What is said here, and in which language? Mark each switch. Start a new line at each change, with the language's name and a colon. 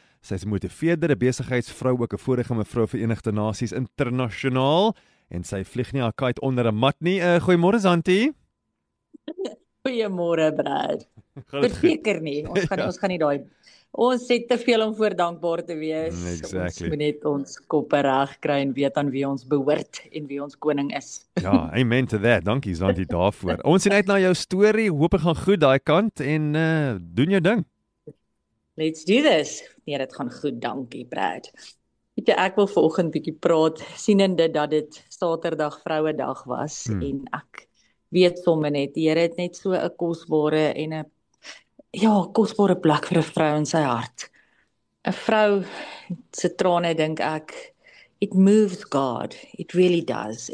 Afrikaans: Sy is motiveerder, 'n besigheidsvrou, ook 'n vorige mevrou Verenigde Nasies internasionaal. En sy vlieg nie haar kite onder 'n mat nie. Goeiemôre Zanti. Goeiemôre Brad. Verseker nie, ons gaan nie daai ons het te veel om voor dankbaar te wees.
English: Exactly.
Afrikaans: Ons moet net ons koppe reg kry en weet aan wie ons behoort en wie ons koning is. Ja,
English: amen to that.
Afrikaans: Dankie Zanti daarvoor. Ons sien uit na jou storie. Hoop dit gaan goed daai kant en doen jou ding.
English: Let's do this.
Afrikaans: Nee, dit gaan goed, dankie Brad. Ja, ek wil vanoggend bietjie praat sienende dat dit Saterdag Vrouedag was en ek weet sommer net die Here het net so 'n kosbare en 'n ja, kosbare plek vir 'n vrou in sy hart. 'n Vrou se trane dink ek
English: it moves God, it really does.